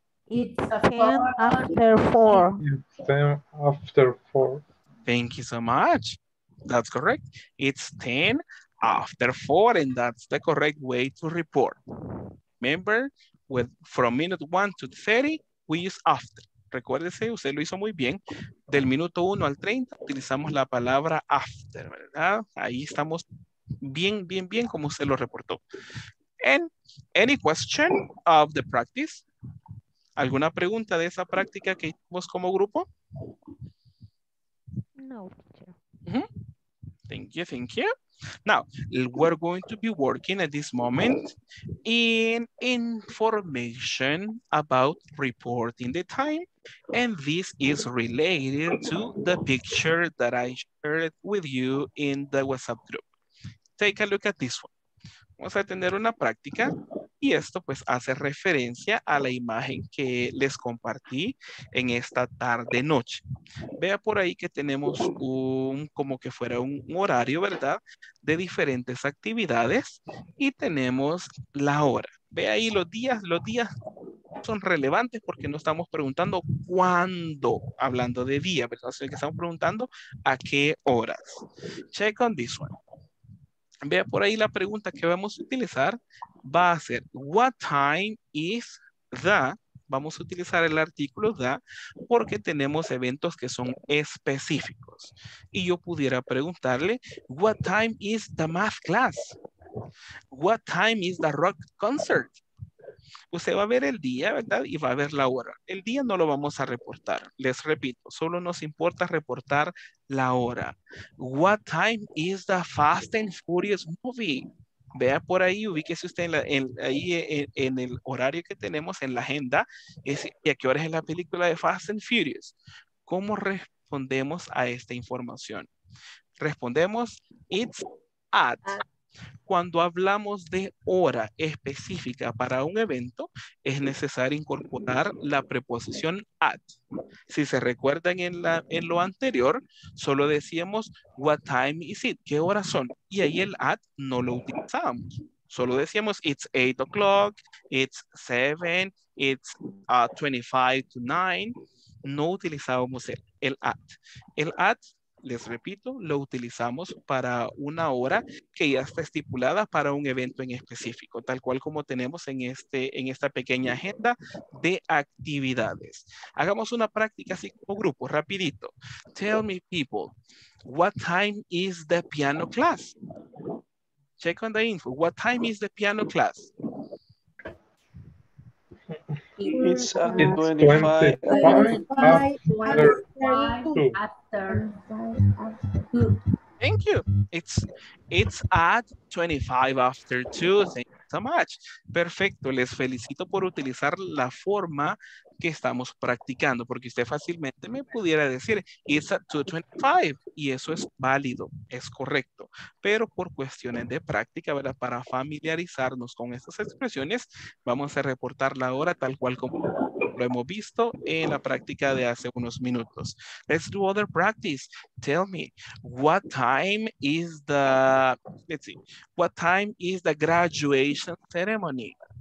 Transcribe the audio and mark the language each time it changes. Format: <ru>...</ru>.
<en>It's 10 after 4. It's 10 after 4. Thank you so much. That's correct. It's 10 after 4, and that's the correct way to report. Remember, with from minute 1 to 30, we use after.</en> <es>Recuérdese, usted lo hizo muy bien. Del minuto 1 al 30, utilizamos la palabra after, ¿verdad? Ahí estamos bien, bien, bien, como usted lo reportó.</es> <en>And any question of the practice?</en> <es>¿Alguna pregunta de esa práctica que hicimos como grupo? No.</es> <en>Thank you, thank you. Now, we're going to be working at this moment in information about reporting the time. And this is related to the picture that I shared with you in the WhatsApp group. Take a look at this one.</en> <es>Vamos a tener una práctica. Y esto pues hace referencia a la imagen que les compartí en esta tarde noche. Vea por ahí que tenemos un como que fuera un horario, ¿verdad? De diferentes actividades y tenemos la hora. Ve ahí los días son relevantes porque no estamos preguntando cuándo, hablando de día, ¿verdad? Así que estamos preguntando a qué horas.</es> <en>Check on this one.</en> <es>Vea por ahí la pregunta que vamos a utilizar. Va a ser,</es> <en>what time is the...</en> <es>Vamos a utilizar el artículo the porque tenemos eventos que son específicos. Y yo pudiera preguntarle,</es> <en>what time is the math class? What time is the rock concert?</en> <es>Usted va a ver el día, ¿verdad? Y va a ver la hora. El día no lo vamos a reportar. Les repito, solo nos importa reportar la hora.</es> <en>What time is the Fast and Furious movie?</en> <es>Vea por ahí, ubíquese usted en el horario que tenemos en la agenda. ¿Y a qué hora es la película de Fast and Furious? ¿Cómo respondemos a esta información? Respondemos,</es> <en>it's at.</en> <es>Cuando hablamos de hora específica para un evento, es necesario incorporar la preposición at. Si se recuerdan en lo anterior, solo decíamos,</es> <en>what time is it?</en> <es>¿Qué horas son? Y ahí el at no lo utilizábamos. Solo decíamos,</es> <en>it's 8 o'clock, it's 7, it's 25 to 9.</en> <es>No utilizábamos el at. El at, les repito, lo utilizamos para una hora que ya está estipulada para un evento en específico, tal cual como tenemos en esta pequeña agenda de actividades. Hagamos una práctica así como grupo, rapidito.</es> <en>Tell me, people, what time is the piano class? Check on the info. What time is the piano class? It's 25 after 2. Thank you. It's at 25 after 2. Thank you so much.</en> <es>Perfecto. Les felicito por utilizar la forma que estamos practicando, porque usted fácilmente me pudiera decir,</es> <en>it's at 2:25,</en> <es>y eso es válido, es correcto. Pero por cuestiones de práctica, ¿verdad? Para familiarizarnos con estas expresiones, vamos a reportar la hora tal cual como lo hemos visto en la práctica de hace unos minutos.</es> <en>Let's do other practice. Tell me, what time is the, let's see, what time is the graduation ceremony?</en>